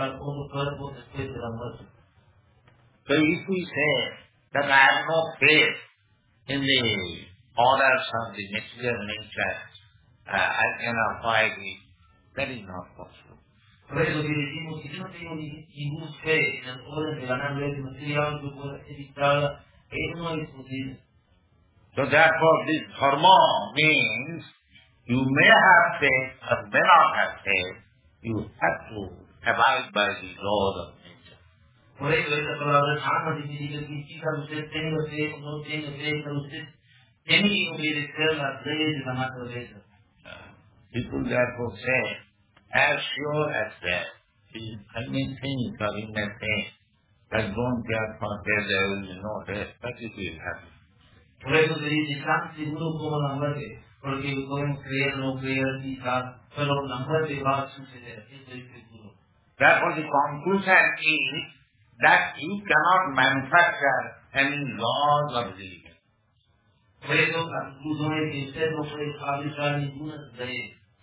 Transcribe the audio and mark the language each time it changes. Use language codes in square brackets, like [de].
[en] So if we say that I have no faith in the orders of the material nature, I can avoid it, that is not possible. [es] Por eso que decimos, si yo no tengo ningún fe en el orden de la naturaleza material, yo puedo evitarla, eso no es posible. [en] So therefore this dharma means, you may have faith or may not have faith, you have to abide by the laws of nature. [es] Por eso esta palabra dharma significa que quizás usted tenga fe o no tenga fe, pero usted tiene que obedecer las leyes de la naturaleza. [en] People therefore say, as sure as that, you may think that don't care for death, there will be no death, but it will happen. [es] Por eso se dice, tan seguro como la muerte, porque podemos creer, no creer, quizás, pero la muerte va a suceder, eso es seguro. [en] Therefore the conclusion is that you cannot manufacture any laws of religion. [es] Por eso la conclusión es que usted no puede fabricar ninguna ley.